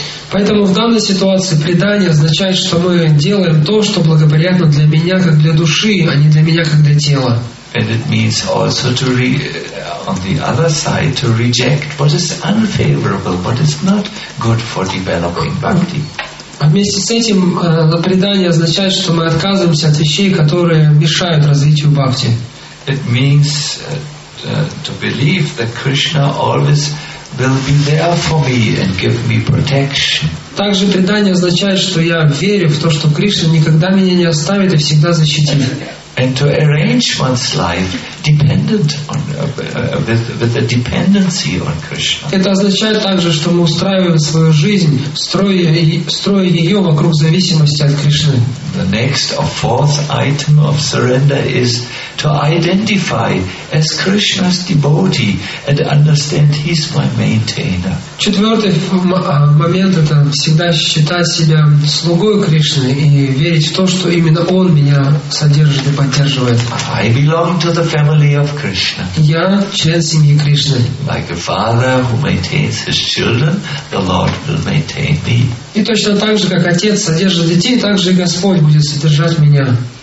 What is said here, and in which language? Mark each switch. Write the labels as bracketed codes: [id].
[ru] Поэтому в данной ситуации предание означает, что мы делаем то, что благоприятно для меня, как для души, а не для меня, как для тела. [en] And it means also to on the other side to reject what is unfavorable, what is not good for developing bhakti. [ru] А вместе с этим предание означает, что мы отказываемся от вещей, которые мешают развитию бхакти. [en] It means to believe that Krishna always will be there for me and give me protection. [ru] Также предание означает, что я верю в то, что Кришна никогда меня не оставит и всегда защитит. [en] And to arrange one's life dependent on with a dependency on Krishna. [ru] Это означает также, что мы устраиваем свою жизнь, строя ее вокруг зависимости от Кришны. [en] The next or fourth item of surrender is to identify as Krishna's devotee and understand he's my maintainer. [ru] Четвертый момент — это всегда считать себя слугой Кришны и верить в то, что именно Он меня содержит и поддерживает. [en] I belong to the family of Krishna. [ru] Я член семьи Кришны. [en] Like a father who maintains his children, the Lord will maintain me. [ru] И точно так же, как отец содержит детей, так же и Господь будет содержать меня.